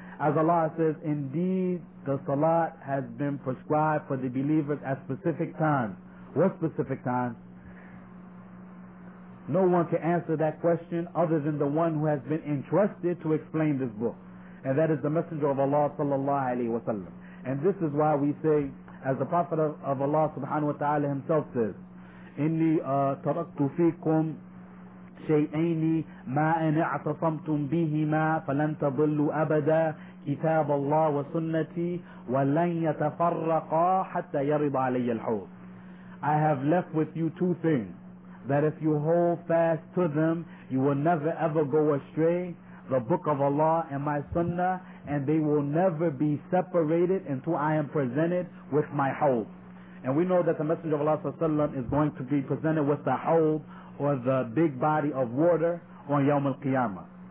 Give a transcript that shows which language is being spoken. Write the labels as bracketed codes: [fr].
[en] As Allah says, indeed the salat has been prescribed for the believers at specific times. What specific times? No one can answer that question other than the one who has been entrusted to explain this book, and that is the Messenger of Allah sallallahu alaihi wasallam. And this is why we say, as the Prophet of Allah subhanahu wa ta'ala himself says, [ar] إِنِّي تَرَكْتُ فِيكُمْ شَيْئَيْنِ مَا أَنْ اَعْتَصَمْتُمْ بِهِمَا فَلَنْ تَضِلُّوا أَبَدًا كِتَابَ اللَّهِ وَسُنَّتِي وَلَنْ يَتَفَرَّقَا حَتَّى يَرِضَ عَلَيَّ الْحُوْضِ. [en] I have left with you two things, that if you hold fast to them, you will never ever go astray, the book of Allah and my sunnah, and they will never be separated until I am presented with my hawd. And we know that the Messenger of Allah sallallahu alaihi wasallam is going to be presented with the hawd, or the big body of water, on Yawm al-Qiyamah.